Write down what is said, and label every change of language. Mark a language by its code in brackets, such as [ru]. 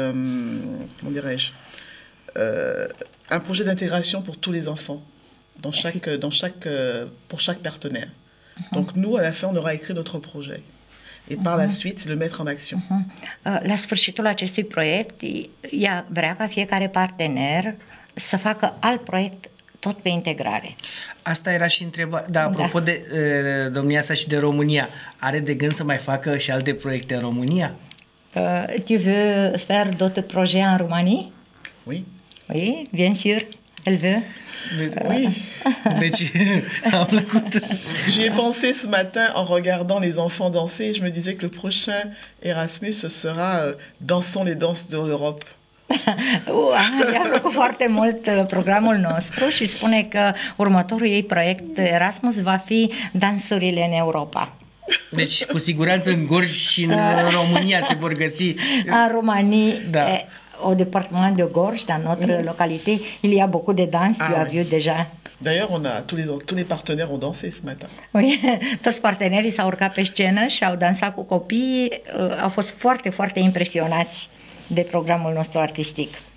[fr] comment dirais-je un projet d'intégration pour tous les enfants, pour chaque partenaire. Uh-huh. Donc nous, à la fin, on aura écrit notre projet. Et par la suite, c'est le mettre en action. [ro] La sfârșitul acestui proiect, ea vrea ca fiecare partener să facă alt proiect tot pe integrare. Asta era și întrebarea. Da, apropo de domnia sa și de România, are de gând să mai facă și alte proiecte în România? [fr] Tu veux faire d'autres projets en Roumanie? Oui. Oui, bien sûr. Elle veut. Oui. [ro] Deci, am plăcut. [fr] J'y ai pensé ce matin en regardant les enfants danser et je me disais que le prochain Erasmus sera Dansons les danses de l'Europe. [ro] I-a plăcut foarte mult programul nostru și spune că următorul ei proiect Erasmus va fi Dansurile în Europa. Deci, cu siguranță în Gorj și în România se vor găsi. În România, da. [fr] Au département de Gorj, dans notre localité, il y a beaucoup de danse, tu as vu déjà. D'ailleurs, on a tous les partenaires ont dansé ce matin. Oui, [ro] toți partenerii s-au urcat pe scenă și au dansat cu copii, au fost foarte, foarte impresionați de programul nostru artistic.